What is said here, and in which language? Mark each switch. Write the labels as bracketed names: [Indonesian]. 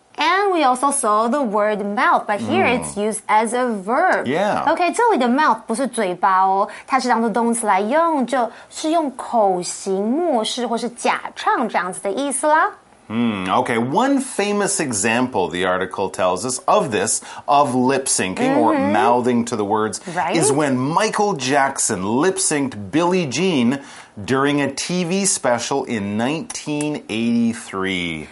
[English] And we also saw the word mouth, but here it's used as a verb. Yeah. [Chinese] OK, 这里的 mouth 不是嘴巴哦它是当作动词来用就是用口型默示或是假唱这样子的意思啦。 [English] Okay, one famous example, the article tells us, of this, of lip-syncing, or mouthing to the words, right? is when Michael Jackson lip-synced Billie Jean during a TV special in 1983.